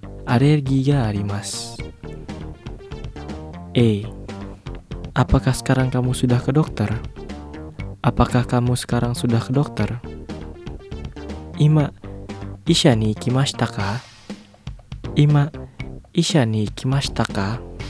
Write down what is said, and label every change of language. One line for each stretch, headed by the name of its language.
Japanese: アレルギーがあります。 A.
Indonesian: Apakah sekarang kamu sudah ke dokter? Apakah kamu sekarang sudah ke dokter?
Japanese: 今、医者に行きましたか？今、医者に行きましたか？